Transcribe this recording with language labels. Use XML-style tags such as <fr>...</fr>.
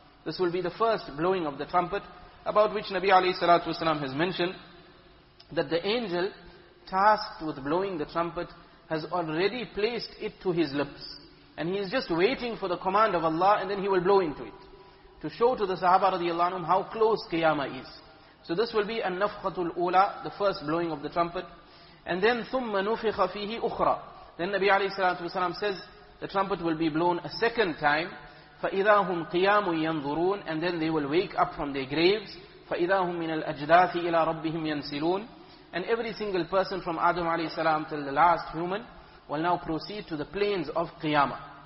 <en>This will be the first blowing of the trumpet, about which Nabi alayhi salatu wasalam has mentioned, that the angel tasked with blowing the trumpet has already placed it to his lips. And he is just waiting for the command of Allah, and then he will blow into it. To show to the Sahaba radiallahu anhum how close Qiyamah is. So this will be an-nafqatul ula, the first blowing of the trumpet. And then,</en> <ar>ثُمَّ نُفِخَ فِيهِ أُخْرَى.</ar> <en>Then Nabi alayhi salatu wasalam says, the trumpet will be blown a second time.</en> <ar>فَإِذَا هُمْ قِيَامٌ يَنْظُرُونَ.</ar> <en>And then they will wake up from their graves.</en> <ar>فَإِذَا هُمْ مِنَ الْأَجْدَاثِ إِلَىٰ رَبِّهِمْ يَنْسِلُونَ.</ar> <en>And every single person from Adam alayhi salam till the last human will now proceed to the plains of Qiyamah.</en>